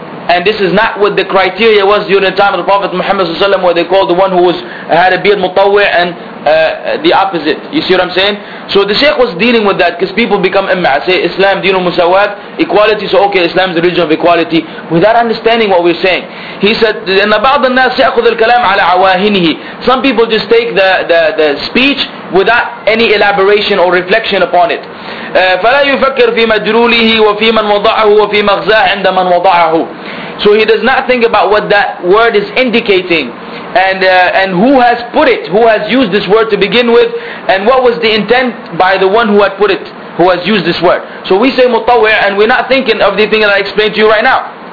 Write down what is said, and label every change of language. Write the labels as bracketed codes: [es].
[en] And this is not what the criteria was during the time of the Prophet Muhammad ﷺ, where they called the one who was had a beard mutawwi' and the opposite. You see what I'm saying? So the Shaykh was dealing with that, because people become imma'a, say Islam, deenu musawat, equality, so okay, Islam is the religion of equality, without understanding what we're saying. He said, [ar] إِنَّ بَعْضَ النَّاسِ يَأْخُذُ الْكَلَامَ عَلَى عَوَاهِنِهِ. [en] Some people just take the speech without any elaboration or reflection upon it. [ar] فَلَا يُفَكِّرْ فِي مَجْرُولِهِ وَفِي مَنْ وَضَعَهُ وَفِي مَغْزَاهِ عِنْدَ مَنْ وَضَعَهُ. [en] So he does not think about what that word is indicating, and who has put it, who has used this word to begin with, and what was the intent by the one who had put it, who has used this word. So we say mutawwi', and we're not thinking of the thing that I explained to you right now.